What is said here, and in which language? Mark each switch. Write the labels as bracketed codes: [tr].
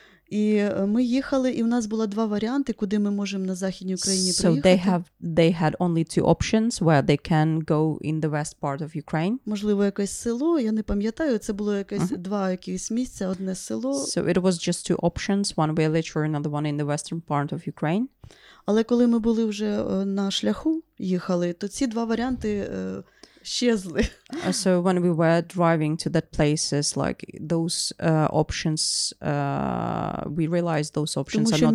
[uk] І ми їхали, і у нас було два варіанти, куди ми можемо на Західній Україні приїхати. [en] So they had only two options where they can go in the west part of Ukraine. [uk] Можливо, якесь село, я не пам'ятаю, це було якесь два якісь місця, одне село. [en] So it was just two options, one village or another one in the western part of Ukraine. [uk] Але коли ми були вже на шляху, їхали, то ці два варіанти Shesly. [en] So when we were driving to that places, like those options, we realized those options are not